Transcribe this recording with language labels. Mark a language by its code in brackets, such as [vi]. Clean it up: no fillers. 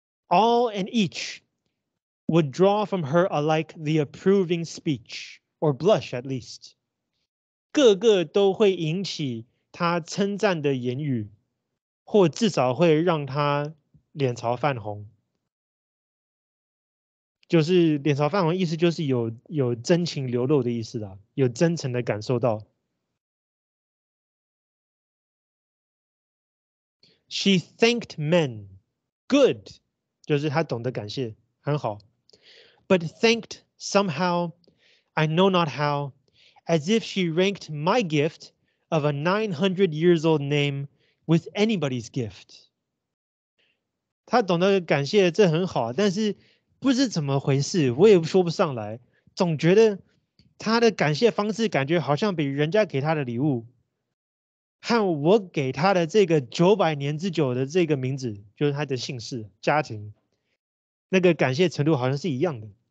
[en] All and each would draw from her alike the approving speech or blush at least， [zh] 个个都会引起他称赞的言语。或至少会让他脸朝泛红，就是脸朝泛红，意思就是有真情流露的意思啦，有真诚的感受到。 [en] She thanked men, good， [zh] 就是他懂得感谢，很好。 [en] But thanked somehow, I know not how, as if she ranked my gift of a 900 years old name. With anybody's gift， [zh] 他懂得感谢，这很好。但是不知怎么回事，我也说不上来。总觉得他的感谢方式，感觉好像比人家给他的礼物，和我给他的这个900年之久的这个名字，就是他的姓氏、家庭，那个感谢程度好像是一样的。